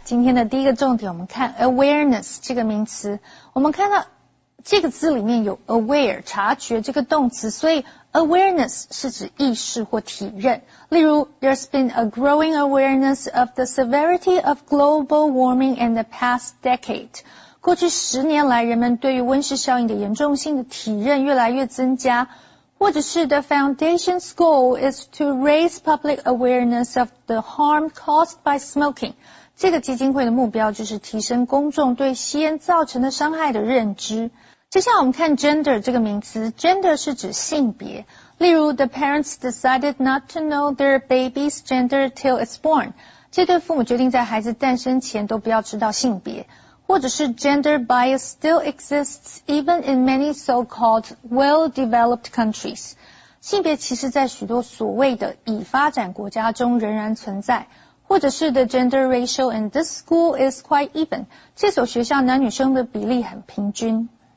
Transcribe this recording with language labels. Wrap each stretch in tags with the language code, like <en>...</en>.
<zh>今天的第一个重点我们看 awareness 这个名词。我们看到这个字里面有 aware, 察觉这个动词，所以 awareness 是指意识或体认。例如</zh> <en>there's been a growing awareness of the severity of global warming in the past decade.</en> <zh>过去十年来人们对于温室效应的严重性的体认越来越增加。或者是</zh> <en>the foundation's goal is to raise public awareness of the harm caused by smoking.</en> <zh>这个基金会的目标就是提升公众对吸烟造成的伤害的认知。接下来我们看 gender 这个名词， gender 是指性别。</zh> <en>例如 the parents decided not to know their baby's gender till it's born.</en> <zh>这对父母决定在孩子诞生前都不要知道性别。或者是</zh> <en>gender bias still exists even in many so-called well-developed countries.</en> <zh>性别歧视在许多所谓的已发展国家中仍然存在。或者是</zh> <en>the gender ratio in this school is quite even.</en> <zh>这所学校男女生的比例很平均。</zh>